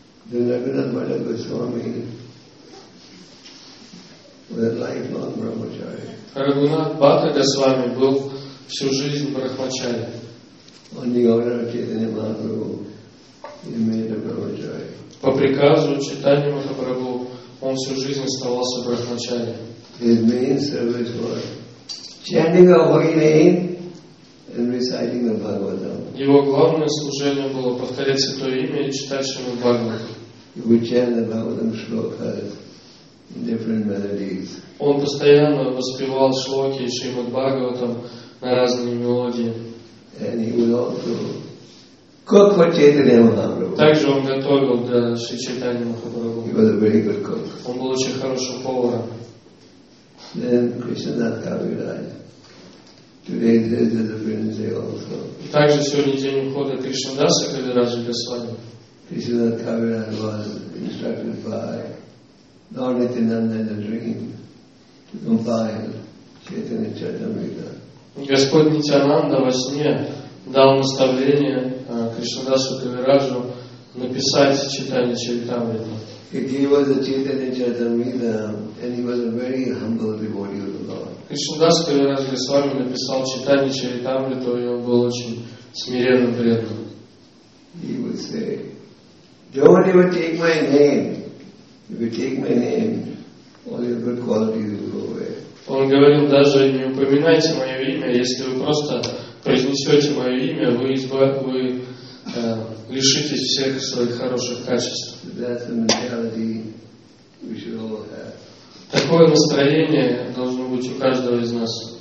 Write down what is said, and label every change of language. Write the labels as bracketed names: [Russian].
[Russian] Рагхунат Бхата Госвами был всю жизнь брахмачари. Он не говорил, что не Махапрабху имеет брахмачари. По приказу Чайтанья Махапрабху он всю жизнь оставался брахмачари. [English] His main service was chanting the holy name and reciting the Bhagavatam. [Russian] Его главное служение было повторять святое имя и читать Шримад Бхагаватам. [English] We chant the Bhagavatam shlokas in different melodies. [Russian] Он постоянно воспевал шлоки и Шримад Бхагаватам на разные мелодии. [English] And he would also cook for Chaitanya Mahaprabhu. [Russian] Также он готовил для Шри Чайтанья Махапрабху. [English] He was a very good cook. [Russian] Он был очень хорошим поваром. [English] Then Krishnadas Kaviraj. Today there is a different day also. [Russian] Также сегодня день ухода Кришнадаса Кавираджа Госвами. [English] Krishnadas Kaviraj was instructed by Lord Nityananda in a dream to compile Chaitanya Charitamrita. [Russian] Господь Нитянанда во сне дал наставление Кришнадасу Кавираджу написать Чайтанья Чаритамриту. [English] He gave us the Chaitanya Charitamrita and he was a very humble devotee of the Lord. [Russian] Кришнадас Кавирадж Госвами написал Чайтанья Чаритамриту, и он был очень смиренным преданным. [English] He would say, don't even take my name. If you take my name, all your good qualities will go away. [Russian] Он говорил, даже не упоминайте мое имя, если вы просто произнесете мое имя, вы лишитесь всех своих хороших качеств. Такое настроение должно быть у каждого из нас.